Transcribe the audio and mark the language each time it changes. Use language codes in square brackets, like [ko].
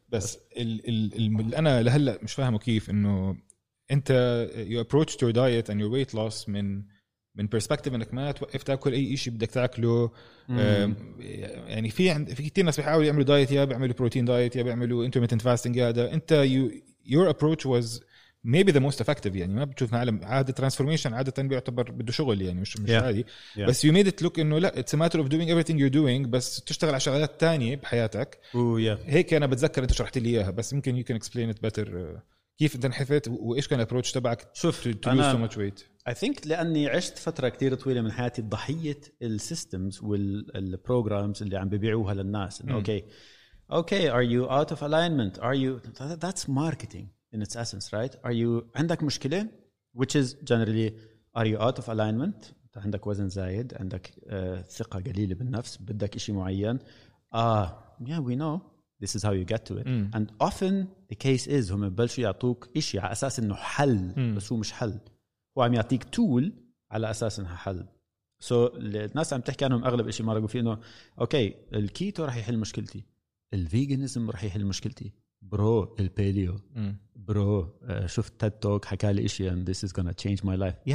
[ar] بس أنا لهلأ مش فاهمه كيف إنه انت [en] you approached your diet and your weight loss [ar] من من perspective انك ما توقف تاكل اي شيء بدك تاكله. يعني في عند في كثير ناس بيحاولوا يعملوا دايت, يا بيعملوا بروتين دايت, يا بيعملوا intermittent fasting. هذا انت [en] your approach was maybe the most effective. [ar] يعني ما بتشوف معلم عادة transformation عادة بيعتبر بده شغل يعني مش yeah. عادي yeah. [en] بس you made it look [ar] انه لا [en] it's a matter of doing everything you're doing [ar] بس تشتغل على شغلات تانية بحياتك. هيك انا بتذكر انت شرحت لي اياها, بس ممكن [en] you can explain it better [ar] كيف انت انحفت وايش كان الابروتش تبعك [en] to lose so much weight. I think [ar] لاني عشت فترة كتير طويلة من حياتي ضحية السيستمز والبروغرامز اللي عم ببيعوها للناس. [en] Okay are you out of alignment, are you, that's marketing in its essence, right? Are you, [ar] عندك مشكلة, [en] which is generally are you out of alignment, [ar] عندك وزن زايد, عندك ثقة قليلة بالنفس, بدك إشي معين. [en] Yeah, we know this is how you get to it. And often the case is [ar] هم بلشوا يعطوك إشي على أساس إنه حل, بس هو مش حل, هو عم يعطيك tool على أساس إنها حل. So الناس عم تحكي عنهم أغلب إشي ما رقوا فيه إنه أوكي الكيتو رح يحل مشكلتي, الفيجنزم رح يحل مشكلتي, برو البيليو, برو شفت تيد توك حكى لي إشي [en] and this is gonna change my life.